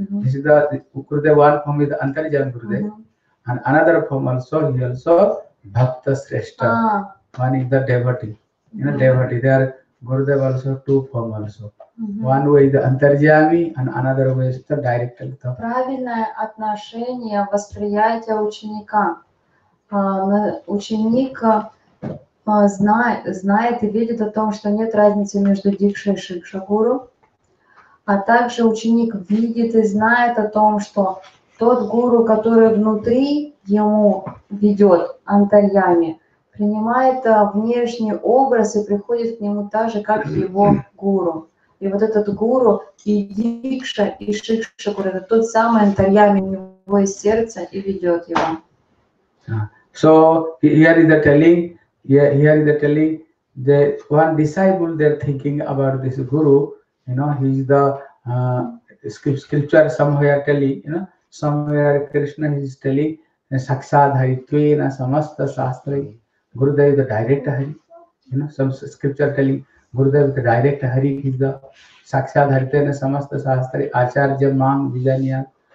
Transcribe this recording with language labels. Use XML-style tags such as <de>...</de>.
<en>This is the Gurudev one form with Antarjami Gurudev. Mm-hmm. And another form also Bhakta Sreshta. Ah. One is the devotee. Mm-hmm. You know, devotee. There are Gurudev also two form also. Mm-hmm. One way is the Antarjami and another way is the direct.</en> <ru>Правильное отношение восприятия ученика. Ученика. Знает и видит о том, что нет разницы между Дикшей и Шикшагуру, а также ученик видит и знает о том, что тот гуру, который внутри ему ведет Антарьями, принимает внешний образ и приходит к нему так же, как его гуру. и вот этот гуру, и дикша, и шикша, вот это тот самый антарьяма, у него есть сердце и ведет его.</ru> <en>So here is the telling, here is the telling, the one disciple they're thinking about this guru, you know, he is the scripture somewhere telling, you know, somewhere Krishna is telling, Saksad Hari Tvena Samasta Sastra, Gurudev is the direct Hari, you know, some scripture telling, Gurudev is the direct Hari, he is the Saksad Hari Tvena Samasta Sastra, Acharya Mang Vijanya.</en>